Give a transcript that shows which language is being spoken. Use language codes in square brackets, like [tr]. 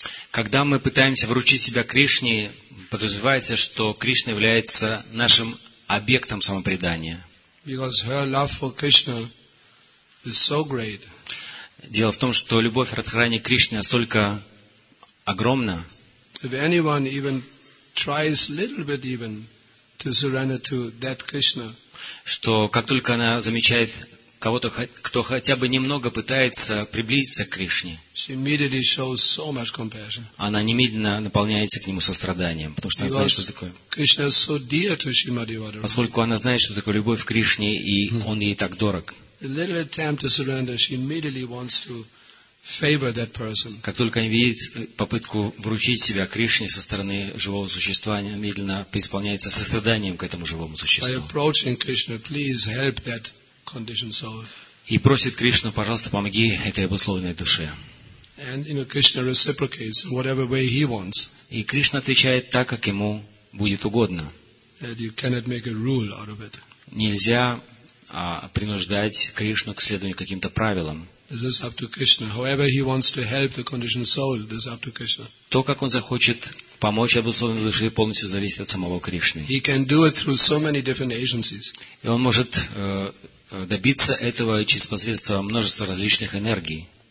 [ru] Когда мы пытаемся вручить себя Кришне, подразумевается, что Кришна является нашим объектом самопредания. [en] Because her love for Krishna is so great. [ru] Дело в том, что любовь Радхарани к Кришне настолько огромна. [en] If anyone even tries little bit even to surrender to that Krishna, [ru] что как только она замечает кого-то, кто хотя бы немного пытается приблизиться к Кришне, она немедленно наполняется к нему состраданием, потому что она знает, что такое. [en] Krishna is so dear to Srimati Radharani. [ru] Поскольку она знает, что такое любовь к Кришне, и он ей так дорог. [en] A little attempt to surrender, she immediately wants to favor that person. [ru] Как только она видит попытку вручить себя Кришне со стороны живого существа, она немедленно преисполняется состраданием к этому живому существу. [en] By approaching Krishna, please help that conditioned soul. [ru] И просит Кришну, пожалуйста, помоги этой обусловленной душе. [en] And you know, Krishna reciprocates in whatever way he wants. [ru] И Кришна отвечает так, как ему будет угодно. [en] And you cannot make a rule out of it. [ru] Нельзя принуждать Кришну к следованию каким-то правилам. [en] This is up to Krishna. However he wants to help the conditioned soul, this is up to Krishna. [ru] То, как он захочет помочь обусловленной душе, полностью зависит от самого Кришны. [en] He can do it through so many different agencies. [ru] И он может добиться этого через посредство множества различных энергий.